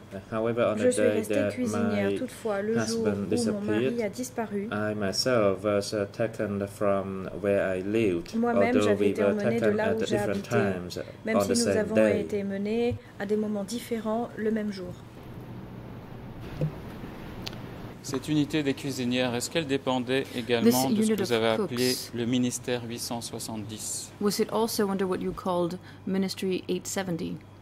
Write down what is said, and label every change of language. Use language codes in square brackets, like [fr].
[en] However, on the day that my husband disappeared, I myself was taken from where I lived, although we were taken at different times on the same day. [fr] Même si nous avons été menés à des moments différents le même jour. Cette unité des cuisinières, est-ce qu'elle dépendait également de ce que vous avez appelé le ministère 870? [en] Was it also under what you called Ministry 870?